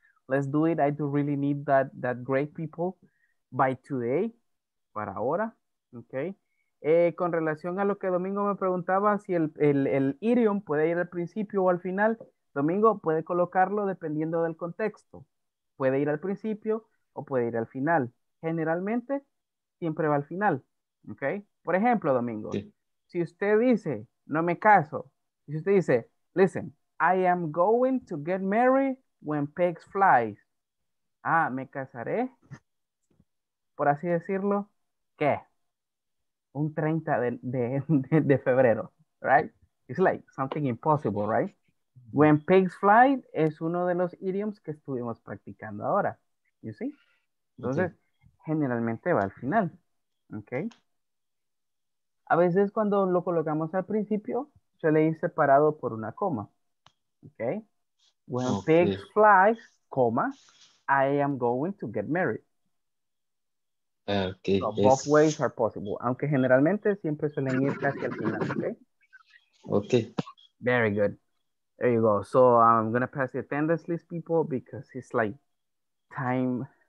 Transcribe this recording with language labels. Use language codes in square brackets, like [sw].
[en] I do really need that great people by today, [es] para ahora, [en] okay. [es] Con relación a lo que Domingo me preguntaba, si el idiom puede ir al principio o al final, Domingo puede colocarlo dependiendo del contexto. Puede ir al principio o puede ir al final. Generalmente, siempre va al final, ¿ok? Por ejemplo, Domingo, sí. Si usted dice, no me caso, si usted dice, [en] listen, I am going to get married when pigs fly. [es] Ah, me casaré, por así decirlo, ¿qué? Un 30 de febrero, [en] right? It's like something impossible, right? [es] When pigs fly es uno de los idioms que estuvimos practicando ahora, [en] you see? [es] Entonces, sí. Generalmente va al final, ¿ok? A veces cuando lo colocamos al principio, suele ir separado por una coma, ¿ok? [en] When pigs fly, coma, I am going to get married. Okay. So both ways are possible, [es] aunque generalmente siempre suelen ir casi al final, ¿ok? [en] Ok. Very good. There you go. So I'm going to pass the attendance list, people, because it's like time...